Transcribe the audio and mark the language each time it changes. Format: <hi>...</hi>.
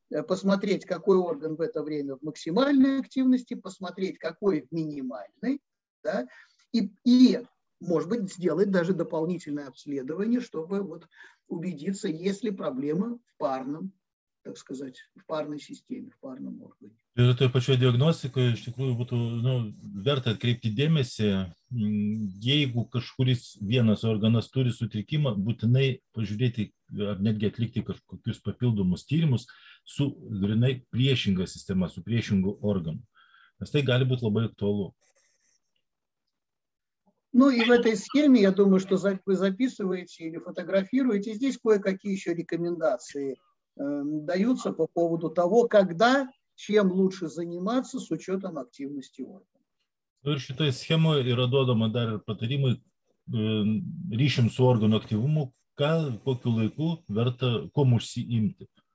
<ru>посмотреть, какой орган в это время в максимальной активности, посмотреть, какой в минимальной, да, и может быть, сделать даже дополнительное обследование, чтобы вот убедиться, есть ли проблема в парном, так сказать, в парной системе, в парном органе.</ru> <lt>Ir toje pačioje diagnostikoje, iš tikrųjų, būtų nu, verta atkreipti dėmesį, jeigu kažkuris vienas organas turi sutrikimą, būtinai pažiūrėti ar netgi atlikti kažkokius papildomus tyrimus su grinai priešinga sistema, su priešingu organu. Nes tai gali būti labai aktualu.</lt> <ru>Ну и в этой схеме, я думаю, что вы записываете или фотографируете, здесь кое-какие еще рекомендации даются по поводу того, когда чем лучше заниматься с учетом активности органа.</ru> <lt>Ir šitoje схемой yra duodama dar ir patarimai ryšim su organų aktyvumu, ką, kokiu laiku verta, kom užsiimti.</lt>